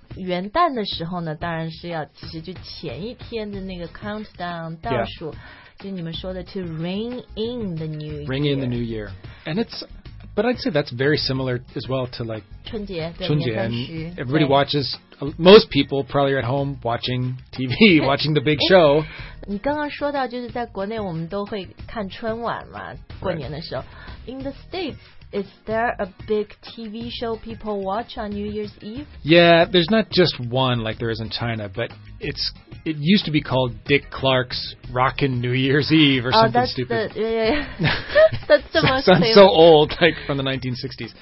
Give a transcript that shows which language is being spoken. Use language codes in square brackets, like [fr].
[zh] 元旦的时候呢当然是要其实就前一天的那个 countdown 倒数、 [en] yeah. [zh] 就你们说的 [en] to ring in the New Year ring in the New Year and itsBut I'd say that's very similar as well to like [zh] 春节 [en] 春节and everybody watches, most people probably are at home watching TV, watching the big show. [zh] 你刚刚说到就是在国内我们都会看春晚嘛过年的时候、 [en] right. In the States, is there a big TV show people watch on New Year's Eve? Yeah, there's not just one like there is in China, but it used to be called Dick Clark's Rockin' New Year's Eve or something that's stupid. The, yeah, yeah, yeah. That's the most sounds so old, like from the 1960s.